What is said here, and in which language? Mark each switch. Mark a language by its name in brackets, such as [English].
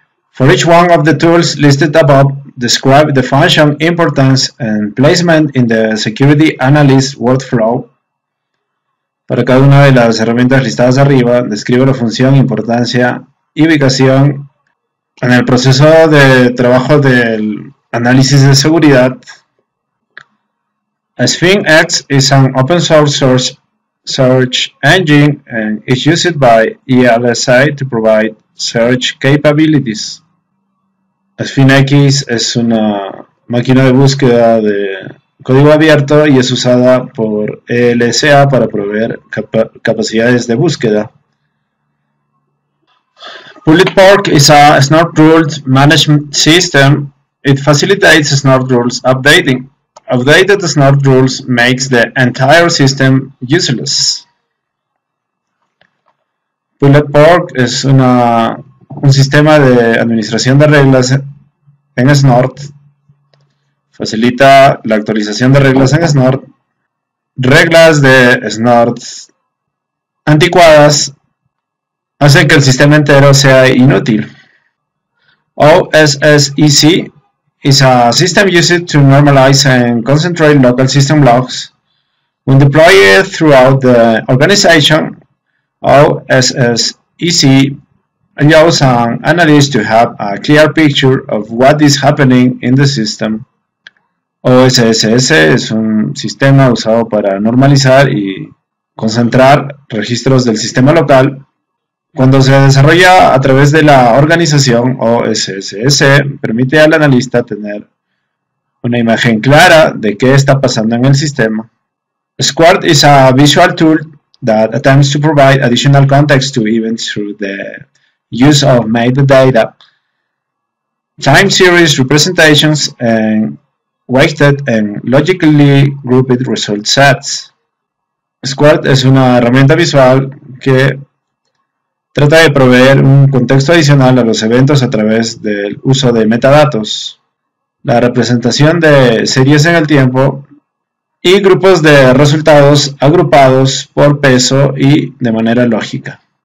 [English] For each one of the tools listed above, describe the function importance and placement in the security analyst workflow. [Spanish] Para cada una de las herramientas listadas arriba, describe la función, importancia y ubicación en el proceso de trabajo del análisis de seguridad. [English] Sphinx is an open source search engine and is used by ELSI to provide search capabilities. [Spanish] Sphinx es una máquina de búsqueda de código abierto y es usada por ELSA para proveer capacidades de búsqueda. [English] Bulletpark is a snort rules management system. It facilitates snort rules updating. Updated snort rules makes the entire system useless. [Spanish] Bulletpark es un sistema de administración de reglas en snort. Facilita la actualización de reglas en snort. Reglas de snort anticuadas hace que el sistema entero sea inútil. [English] OSSEC is a system used to normalize and concentrate local system logs. When deployed throughout the organization, OSSEC allows an analyst to have a clear picture of what is happening in the system. [Spanish] OSSEC es un sistema usado para normalizar y concentrar registros del sistema local. Cuando se desarrolla a través de la organización o SSS, permite al analista tener una imagen clara de qué está pasando en el sistema. [English] Squirt is a visual tool that attempts to provide additional context to events through the use of metadata, time series representations, and weighted and logically grouped result sets. [Spanish] Squirt es una herramienta visual que trata de proveer un contexto adicional a los eventos a través del uso de metadatos, la representación de series en el tiempo y grupos de resultados agrupados por peso y de manera lógica.